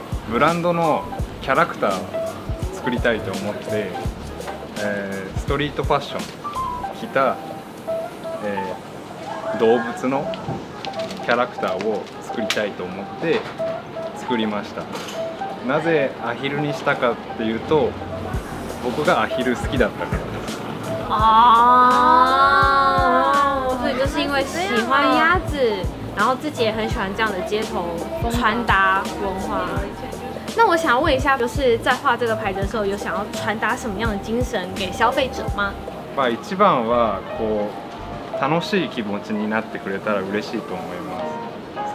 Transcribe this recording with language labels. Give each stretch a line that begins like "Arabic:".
Japanese: ブランドのキャラクターを作りたいと思って、ストリートファッション着た、動物のキャラクターを作りたいと思って作りました。なぜアヒルにしたかっていうと僕がアヒル好きだったからです。
Chinese: ああ、所以就是因为喜欢鸭子，然后自己也很喜欢这样的街头穿搭文化。那我想问一下，就是在画这个牌子的时候，有想要传达什么样的精神给消费者吗？
Japanese: まあ一番はこう楽しい気持ちになってくれたら嬉しいと思います。